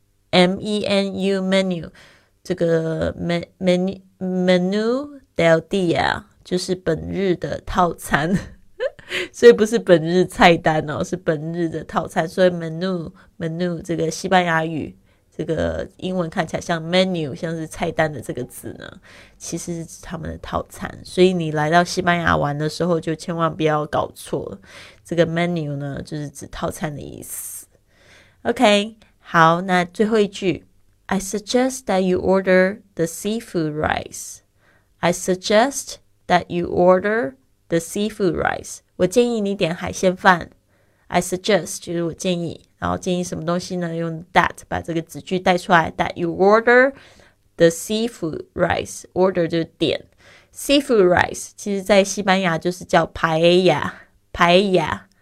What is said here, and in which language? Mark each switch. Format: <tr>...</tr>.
<zh>M-E-N-U menu, 这个 menu del día 就是本日的套餐所以不是本日菜单哦，是本日的套餐，所以 menu 这个西班牙语，这个英文看起来像 menu, 像是菜单的这个字呢，其实是他们的套餐，所以你来到西班牙玩的时候就千万不要搞错了，这个 menu 呢就是指套餐的意思。</zh> <en>OK,</en> <zh>好，那最后一句，</zh> <en>I suggest that you order the seafood rice. I suggest that you order the seafood rice.</en> <zh>我建议你点海鲜饭。</zh> <en>I suggest</en> <zh>就是我建议，然后建议什么东西呢？用 that 把这个子句带出来。</zh> <en>That you order the seafood rice.</en> <zh>Order 就是点 seafood rice. 其实在西班牙就是叫 paella, paella.</zh>